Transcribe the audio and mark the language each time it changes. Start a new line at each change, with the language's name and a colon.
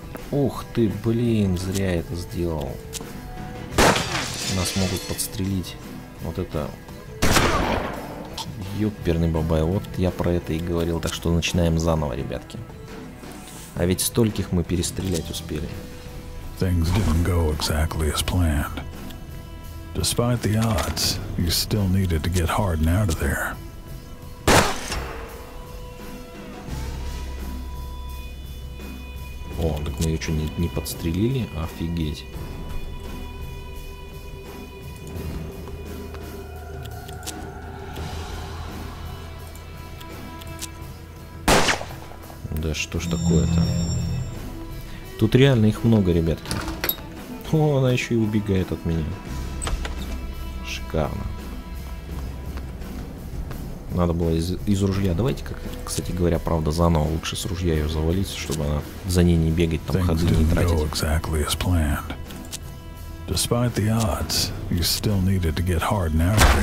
Russian: Ух ты, блин, зря я это сделал. Нас могут подстрелить. Вот это... Ёперный бабай, вот я про это и говорил. Так что начинаем заново, ребятки. А ведь стольких мы перестрелять успели.
English: Things didn't go exactly as planned. Despite the odds, you still needed to get Harden out of there.
Russian: О, так мы ее что, не подстрелили? Офигеть. Да что ж такое-то? Тут реально их много, ребятки. О, она еще и убегает от меня. Шикарно. Надо было из ружья. Давайте, как, кстати говоря, правда, заново лучше с ружья ее завалить, чтобы она за ней не бегать, там ходы не тратить.
English: Exactly as planned. Despite the odds, you still needed to get hard now.